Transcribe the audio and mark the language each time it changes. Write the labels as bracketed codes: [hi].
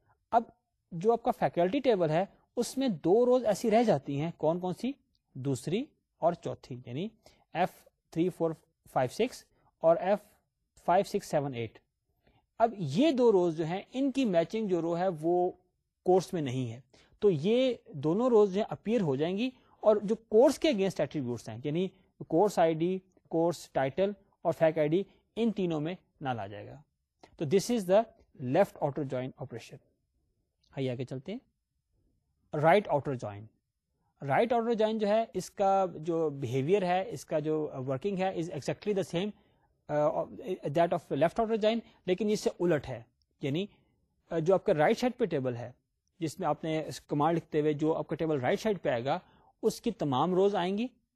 [ur] اب جو آپ کا فیکلٹی ٹیبل ہے اس میں دو روز ایسی رہ جاتی ہیں, کون کون سی؟ دوسری اور چوتھی, یعنی F3456 اور F5678. اب یہ دو روز جو ہیں ان کی میچنگ جو رو ہے وہ کورس میں نہیں ہے, تو یہ دونوں روز جو ہیں اپیئر ہو جائیں گی, اور جو کورس کے اگینسٹ ایٹریبیوٹس ہیں یعنی course I D, course title اور فیک آئی ڈی, ان تینوں میں نال آ جائے گا. [en] تو this is the left outer join operation. [ur] آئیے آگے چلتے ہیں. Right outer join, right outer join جو ہے اس کا جو بہیویئر ہے اس کا جو ورکنگ ہے [en] is exactly the same that of left outer join, [ur] لیکن اس سے الٹ ہے. یعنی جو آپ کا رائٹ سائڈ پہ ٹیبل ہے جس میں آپ نے کمانڈ لکھتے ہوئے جو آپ کا ٹیبل رائٹ سائڈ پہ آئے گا اس کی تمام روز آئیں گی,